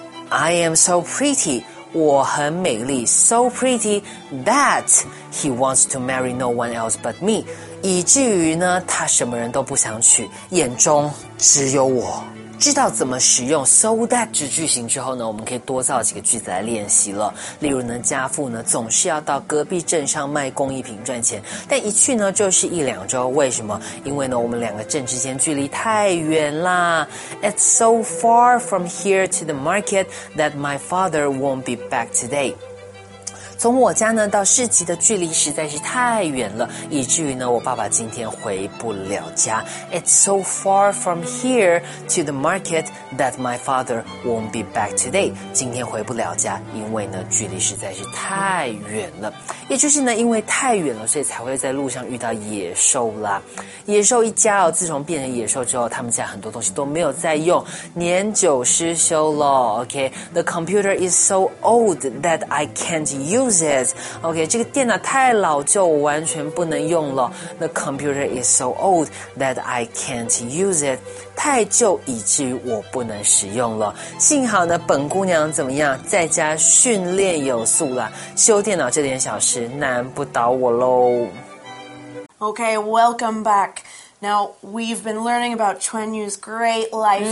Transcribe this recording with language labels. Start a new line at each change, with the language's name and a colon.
English: I am so prettyWe are very so pretty that he wants to marry no one else but me.
Chinese: 以至于呢，他什么人都不想娶，眼中只有我。知道怎么使用 so that 直句型之后呢，我们可以多造几个句子来练习了。例如呢，家父呢总是要到隔壁镇上卖工艺品赚钱，但一去呢就是一两周。为什么？因为呢我们两个镇之间距离太远啦。
English: It's so far from here to the market that my father won't be back today。
Chinese: 从我家呢到市集的距离实在是太远了，以至于呢我爸爸今天回不了家。
English: It's so far from here to the market that my father won't be back today。
Chinese: 今天回不了家，因为呢距离实在是太远了，也就是呢因为太远了，所以才会在路上遇到野兽啦。野兽一家哦，自从变成野兽之后，他们家很多东西都没有再用，年久失修了。
English: OK, the computer is so old that I can't use it.
Chinese: OK, 这个电脑太老旧，我完全不能用了。
English: The computer is so old that I can't use it.
Chinese: 太旧以至于我不能使用了。幸好呢，本姑娘怎么样，在家训练有素了，修电脑这点小事难不倒我咯。
English: Okay, welcome back. Now, we've been learning about Chuan Yu's great life、mm-hmm.